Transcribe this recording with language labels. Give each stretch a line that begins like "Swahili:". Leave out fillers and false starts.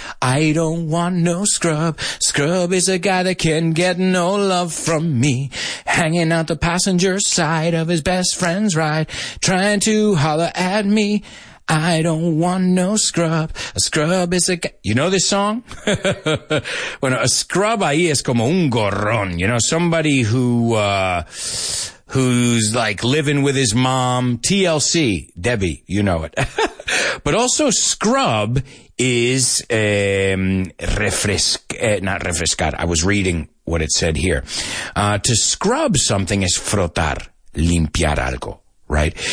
English: I don't want no scrub. Scrub is a guy that can get no love from me. Hanging out the passenger side of his best friend's ride, trying to holler at me. I don't want no scrub. A scrub is a you know this song?
Spanish: Bueno, a scrub ahí es como un gorrón.
English: You know, somebody who's like living with his mom. TLC, Debbie, you know it. But also scrub is refrescar. I was reading what it said here. To scrub something is
Spanish: frotar, limpiar algo.
English: Right?